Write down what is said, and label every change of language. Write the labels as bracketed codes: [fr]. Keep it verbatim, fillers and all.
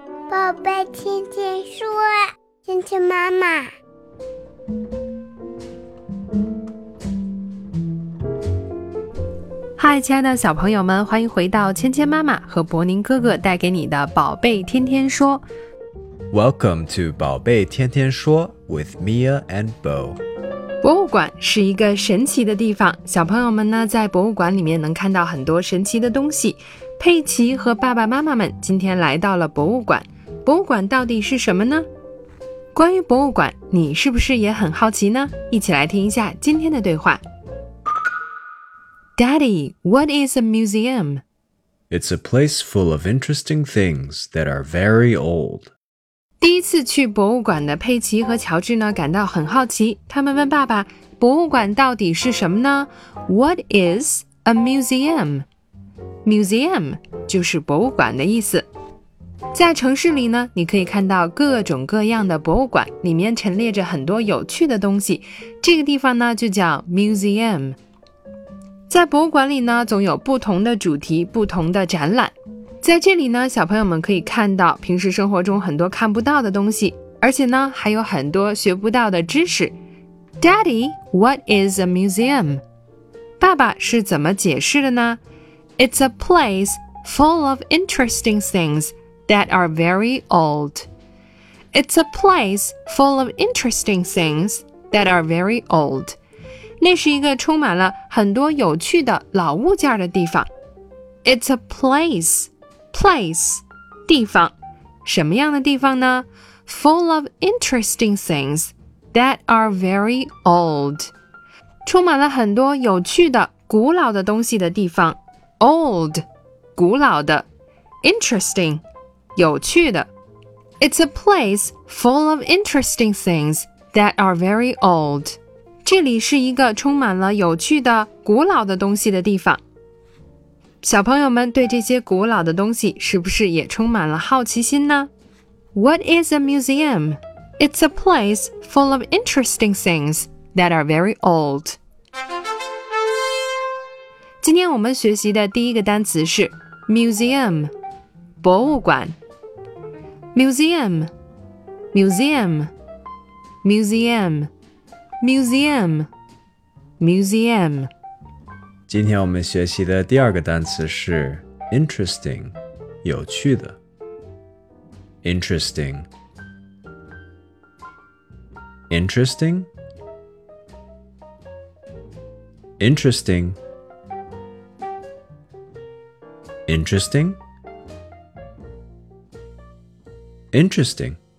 [zh] 宝贝天天说，芊芊妈妈。嗨，亲爱的小朋友们，欢迎回到芊芊妈妈和博宁哥哥带给你的宝贝天天说。 [en] Welcome to 宝贝天天说 with Mia and Bo。 [zh] 博物馆是一个神奇的地方，小朋友们呢在博物馆里面能看到很多神奇的东西。佩奇和爸爸妈妈们今天来到了博物馆，博物馆到底是什么呢？关于博物馆，你是不是也很好奇呢？一起来听一下今天的对话。 [en] Daddy, what is a museum? It's a place full of interesting things that are very old. [zh] 第一次去博物馆的佩奇和乔治呢感到很好奇，他们问爸爸，博物馆到底是什么呢？ [en] What is a museum? [zh] Museum 就是博物馆的意思。在城市里呢，你可以看到各种各样的博物馆，里面陈列着很多有趣的东西，这个地方呢就叫 museum。在博物馆里呢总有不同的主题，不同的展览，在这里呢，小朋友们可以看到平时生活中很多看不到的东西，而且呢，还有很多学不到的知识。 [en] Daddy, what is a museum? [zh] 爸爸是怎么解释的呢？ [en] It's a place full of interesting things that are very old. It's a place full of interesting things that are very old. [zh] 那是一个充满了很多有趣的老物件的地方。 [en] It's a place. [zh] Place 地方，什么样的地方呢？ [en] Full of interesting things that are very old. [zh] 充满了很多有趣的古老的东西的地方。 Old 古老的， Interesting 有趣的。 [en] It's a place full of interesting things that are very old. [zh] 这里是一个充满了有趣的古老的东西的地方。小朋友们对这些古老的东西是不是也充满了好奇心呢？ [en] What is a museum? It's a place full of interesting things that are very old. [zh] 今天我们学习的第一个单词是 museum, 博物馆。 [en] museum, museum, museum, museum, museum. [zh] 今天我们学习的第二个单词是 interesting, 有趣的。 [en] interesting, interesting, interesting, interesting, interesting。